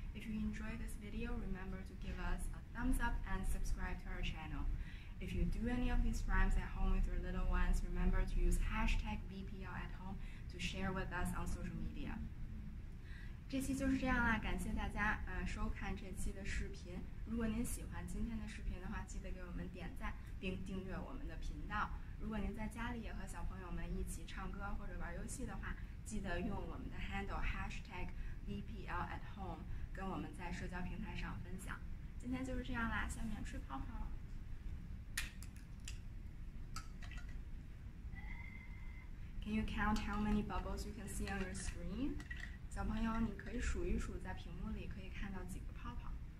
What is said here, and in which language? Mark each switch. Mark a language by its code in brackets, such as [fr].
[en] If you enjoyed this video, remember to give us a thumbs up and subscribe to our channel. If you do any of these rhymes at home with your little ones, remember to use hashtag BPL at home to share with us on social media. [zh] 这期就是这样啦，感谢大家收看这期的视频。如果您喜欢今天的视频的话，记得给我们点赞并订阅我们的频道。如果您在家里也和小朋友们一起唱歌或者玩游戏的话，记得用我们的 [en] handle hashtag VPL at home [zh] 跟我们在社交平台上分享。今天就是这样啦，下面吹泡泡。 [en] Can you count how many bubbles you can see on your screen? [zh] 小朋友，你可以数一数在屏幕里可以看到几个泡泡。